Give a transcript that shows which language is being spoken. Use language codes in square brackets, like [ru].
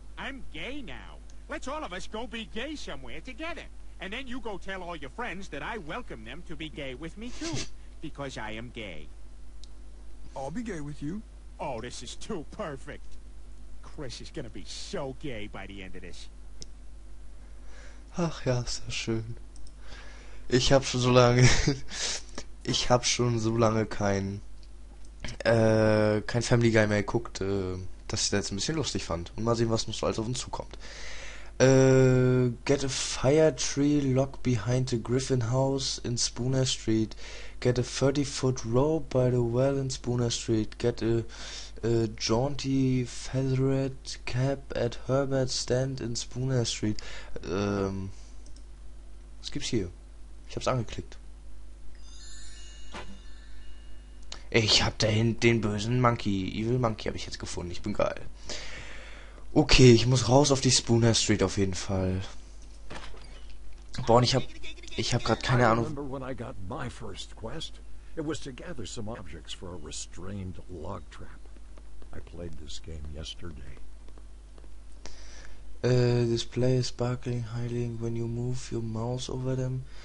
[en] I'm gay now. Let's all of us go be gay somewhere together. And then you go tell all your friends that I welcome them to be gay with me too, because I am gay. I'll be gay with you. Oh, this is too perfect. Chris is gonna be so gay by the end of this. [de] Ach ja, ist das schön. Ich hab schon so lange ich hab schon so lange kein Family Guy mehr geguckt, dass ich das jetzt ein bisschen lustig fand. Und mal sehen, was noch so alles auf uns zukommt. [en] Get a fire tree lock behind the Griffin House in Spooner Street. Get a 30-foot rope by the well in Spooner Street. Get a jaunty feathered cap at Herbert's stand in Spooner Street. [de] Was gibt's hier? Ich hab's angeklickt. Ich hab da hinten den bösen Monkey. Evil Monkey habe ich jetzt gefunden. Ich bin geil. Okay, ich muss raus auf die Spooner Street auf jeden Fall. Boah, ich hab gerade keine Ahnung. [en] I remember when I got my first quest. It was to gather some objects for a restrained log trap. I played this game yesterday. Display is sparkling, highlighting when you move your mouse over them.